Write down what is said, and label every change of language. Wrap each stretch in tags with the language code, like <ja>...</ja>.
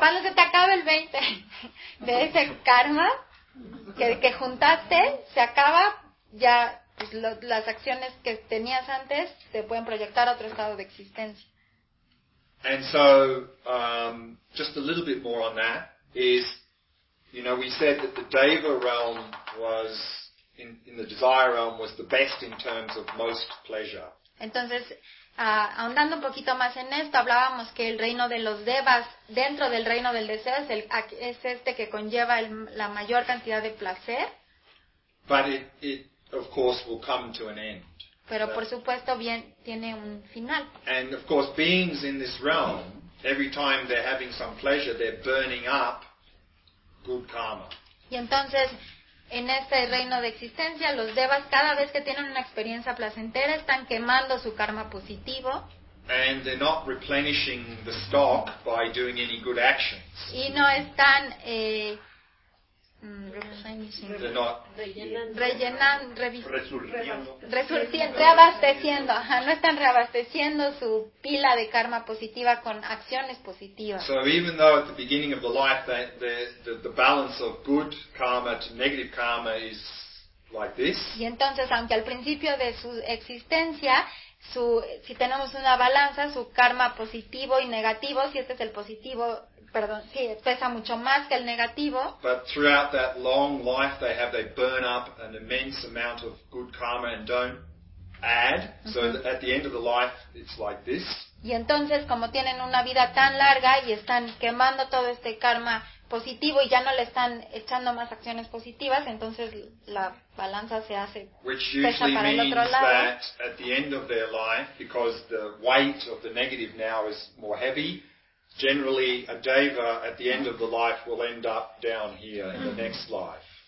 <es>Cuando se te acaba el 20 de ese karma que juntaste, se acaba, ya pues, las acciones que tenías antes te pueden proyectar a otro estado de existencia.</es> <en>And so, just a little bit more on that is, you know, we said that the deva realm was, in the desire realm, was the best in terms of most pleasure.</en> <es>Entonces, ahondando un poquito más en esto, hablábamos que el reino de los devas, dentro del reino del deseo, es este que conlleva la mayor cantidad de placer.</es> <en>But it, of course, will come to an end.</en> <es>Pero por supuesto bien tiene un final.</es> <en>And of course beings in this realm, every time they're having some pleasure, they're burning up good karma.</en> <es>Y entonces en este reino de existencia, los devas cada vez que tienen una experiencia placentera están quemando su karma positivo.</es> <en>And they're not replenishing the stock by doing any good actions.</en> <es>Y no están reabasteciendo. Ajá, no están reabasteciendo su pila de karma positiva con acciones positivas.</es> <en>So even though at the beginning of the life the balance of good karma to negative karma is like this.</en> <es>Y entonces aunque al principio de su existencia si tenemos una balanza, su karma positivo y negativo, si este es el positivo, perdón, sí, pesa mucho más que el negativo.</es> <en>But throughout that long life they burn up an immense amount of good karma and don't add. Uh-huh. So at the end of the life it's like this.</en> <es>Y entonces como tienen una vida tan larga y están quemando todo este karma positivo y ya no le están echando más acciones positivas, entonces la balanza se hace pesa para el otro lado.</es> <en>Which usually means that at the end of their life, because the weight of the negative now is more heavy, generally a deva at the end of the life will end up down here in the next life.</en>